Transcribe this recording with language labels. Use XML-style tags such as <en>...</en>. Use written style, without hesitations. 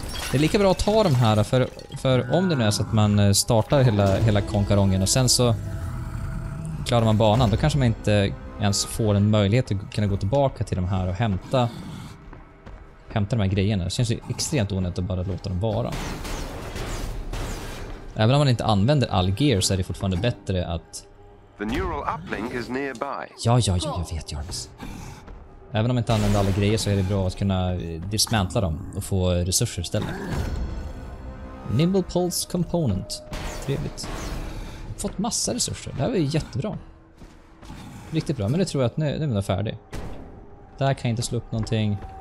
<sv>Det är lika bra att ta de här för om det nu är så att man startar hela konkarongen och sen så klarar man banan, då kanske man inte ens får en möjlighet att kunna gå tillbaka till de här och hämta de här grejerna. Det känns ju extremt onödigt att bara låta dem vara. Även om man inte använder all gear så är det fortfarande bättre att...</sv> <en>The neural uplink is nearby.</en> <sv>Ja, jag vet, Jarvis. Även om jag inte använder alla grejer så är det bra att kunna dismantla dem och få resurser istället. Nimble Pulse Component. Trevligt. Fått massa resurser. Det här var ju jättebra. Riktigt bra, men nu tror jag att nu är vi färdig. Där kan jag inte slå upp någonting.</sv>